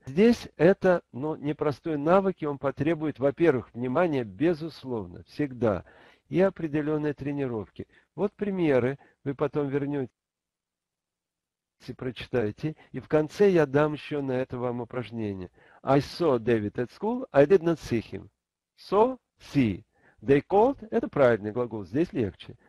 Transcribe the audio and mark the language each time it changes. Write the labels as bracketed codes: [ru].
[ru] Здесь это, ну, непростой навык, и он потребует, во-первых, внимания, безусловно, всегда, и определенной тренировки. Вот примеры, вы потом вернете, прочитайте, и в конце я дам еще на это вам упражнение. [en] I saw David at school, I did not see him. So, see. They called, [ru] это правильный глагол, здесь легче.